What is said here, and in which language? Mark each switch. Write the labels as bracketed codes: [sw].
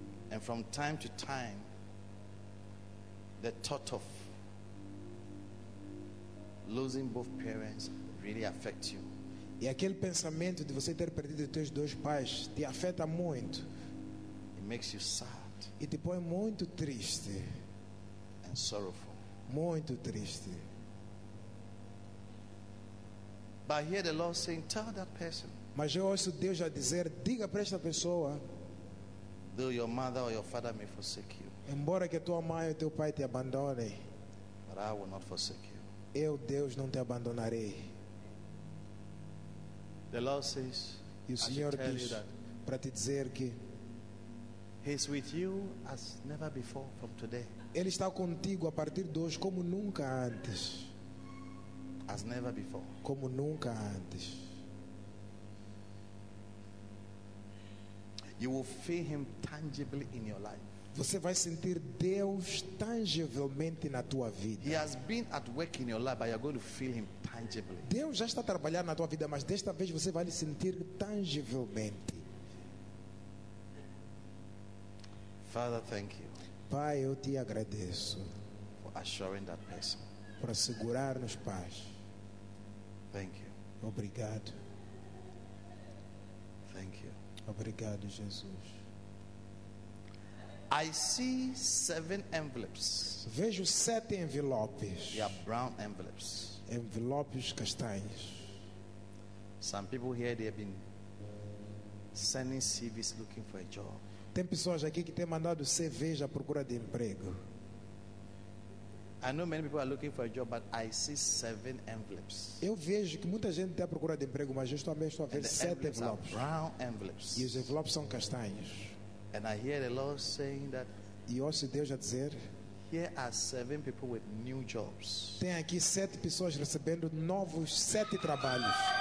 [en] And from time to time, the thought of losing both parents really affects you. [pt] E aquele pensamento de você ter perdido teus dois pais te afeta muito. [en] It makes you sad. [pt] E te põe muito triste. [en] And sorrowful. [pt] Muito triste. [en] But I hear the Lord saying, "Tell that person." [pt] Mas eu ouço Deus a dizer, diga para esta pessoa. [en] Though your mother or your father may forsake you. [pt] Embora que tua mãe ou teu pai te abandone. [en] But I will not forsake you. [pt] Eu, Deus, não te abandonarei. [en] The Lord says, [pt] e o Senhor diz para te dizer que [en] He is with you as never before from today. [pt] Ele está contigo a partir de hoje como nunca antes. [en] As never before. [pt] Como nunca antes. [en] You will feel him tangibly in your life. [pt] Você vai sentir Deus tangivelmente na tua vida. [en] He has been at work in your life, but you're going to feel him tangibly. [pt] Deus já está trabalhando na tua vida, mas desta vez você vai lhe sentir tangivelmente. [en] Father, thank you. [pt] Pai, eu te agradeço. [en] For assuring that person. [pt] Por assegurar-nos paz. [en] Thank you. [pt] Obrigado. [en] Thank you. [pt] Obrigado, Jesus. [en] I see 7 envelopes. [pt] Vejo 7 envelopes. [en] They are brown envelopes. [pt] Envelopes castanhos. [en] Some people here they have been sending CVs looking for a job. [pt] Tem pessoas aqui que têm mandado CVs à procura de emprego. [en] I know many people are looking for a job, but I see 7 envelopes. [pt] Eu vejo que muita gente está à procura de emprego, mas eu também estou a ver 7 envelopes. [en] Brown envelopes. [pt] E os envelopes são castanhos. [en] And I hear the Lord saying that. [pt] E ouço Deus a dizer. [en] Here are 7 people with new jobs. [pt] Tem aqui 7 pessoas recebendo novos 7 trabalhos.